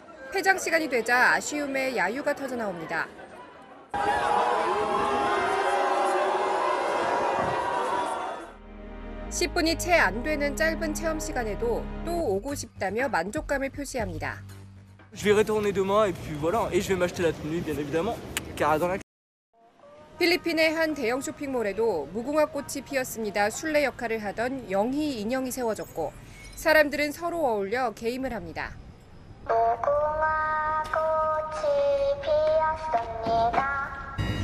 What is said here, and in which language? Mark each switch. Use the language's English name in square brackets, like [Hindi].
[Korean] 폐장 시간이 되자 아쉬움에 야유가 터져나옵니다. 10분이 채 안 되는 짧은 체험 시간에도 또 오고 싶다며 만족감을 표시합니다. [French] Je vais retourner demain et puis voilà et je vais m'acheter la tenue bien évidemment car dans la [Korean] 필리핀의 한 대형 쇼핑몰에도 무궁화 꽃이 피었습니다. 술래 역할을 하던 영희 인형이 세워졌고 사람들은 서로 어울려 게임을 합니다. 무궁화 꽃이 피었습니다.